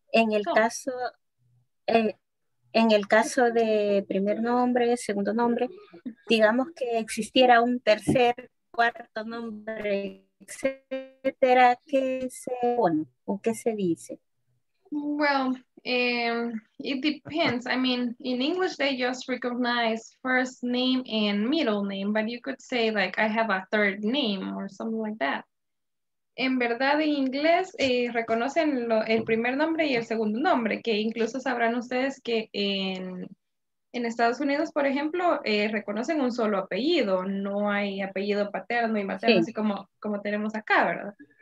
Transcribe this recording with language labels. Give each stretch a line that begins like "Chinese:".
Spanish: En el caso. En el caso de primer nombre, segundo nombre, digamos que existiera un tercer, cuarto nombre, etcétera, ¿qué se pone o qué se dice?
English: Well, it depends. I mean, in English they just recognize first name and middle name, but you could say like I have a third name or something like that.
Spanish: En verdad, en inglés reconocen el primer nombre y el segundo nombre, que incluso sabrán ustedes que en Estados Unidos, por ejemplo, reconocen un solo apellido. No hay apellido paterno y materno, sí. Así como tenemos acá, ¿verdad?